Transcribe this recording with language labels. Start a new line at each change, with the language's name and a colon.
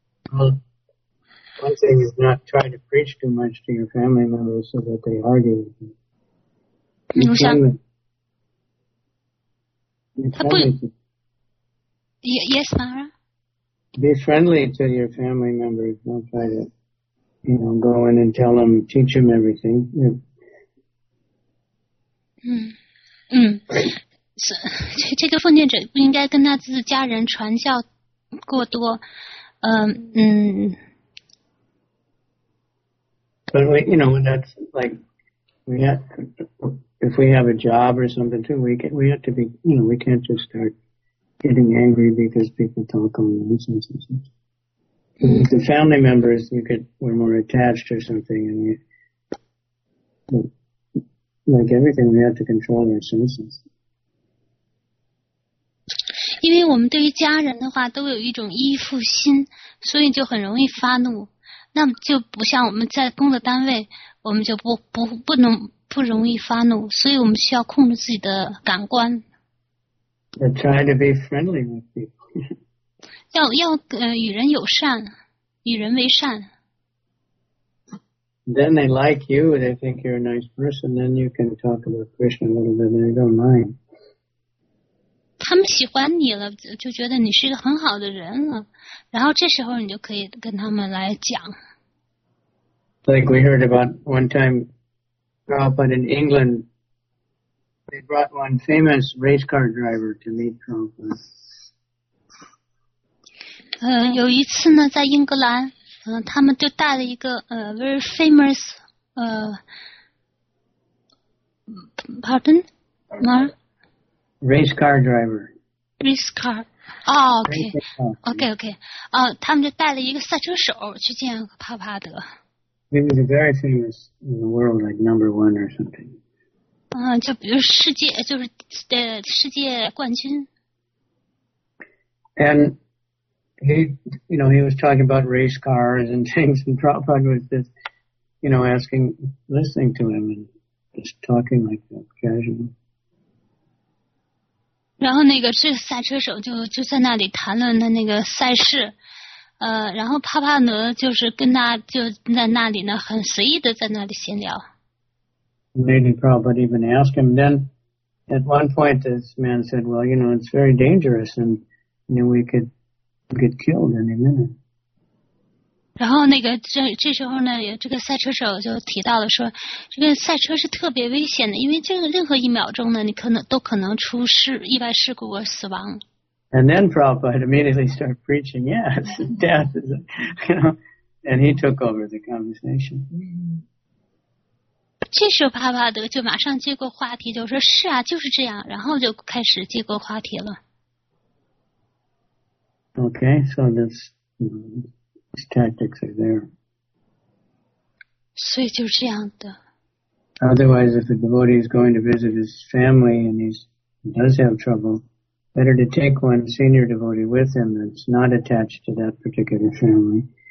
English: One thing is not try to preach too much to your family members so that they argue with you. Yes, Mara? Be friendly to your family members. Don't try to, you know, go in and tell them, teach them everything. Yeah.
Chinese: So, 这个奉献者不应该跟他自己家人传教过多。
English: But we, you know, that's like, if we have a job or something too, we can't just start getting angry because people talk all nonsense and stuff. If the family members, we're more attached or something, and like everything, we have to control our senses.
Chinese: 因为我们对于家人的话都有一种依附心，所以就很容易发怒。那么就不像我们在工作单位，我们就不容易发怒，所以我们需要控制自己的感官。
English: And try to be friendly with people.
Chinese: 要与人友善，与人为善。
English: Then they like you, they think you're a nice person, then you can talk about Krishna a little bit, and they don't mind.
Chinese: 他们喜欢你了，就觉得你是一个很好的人了，然后这时候你就可以跟他们来讲。
English: Like we heard about one time, Prabhupada in England, they brought one famous race car driver to meet Prabhupada.
Chinese: 有一次呢，在英格兰。他们就带了一个
English: very famous pardon? Race car driver. Race car. Oh, okay. Okay, okay.
Chinese: 他们就带了一个赛车手去见帕帕德。
English: He was very famous in the world, like number one or something.
Chinese: 就比如世界就是世界冠军。
English: And,He, you know, he was talking about race cars and things, and Prabhupada was just, you know, asking, listening to him, and just talking like that, casually.
Chinese: 然后那个是赛车手就在那里谈论的那个赛事，然后帕帕德就是跟他就在那里呢，很随意的在那里闲聊。
English: Maybe Prabhupada even asked him. Then, at one point, this man said, "Well, you know, it's very dangerous, and you know, we could." Get killed any minute.
Chinese: 然后那个这时候呢，这个赛车手就提到了说，这个赛车是特别危险的，因为这个任何一秒钟呢，你可能出事意外事故而死亡。
English: And then Prabhupada immediately started preaching. Yes, death is, and he took over the conversation.
Chinese: 这时候帕帕德就马上接过话题，就说是啊，就是这样，然后就开始接过话题了。
English: Okay, so this, you know, these tactics are there.
Chinese: 所以就这样的。
English: Otherwise, if the devotee is going to visit his family and he does have trouble, better to take one senior devotee with him that's not attached to that particular family.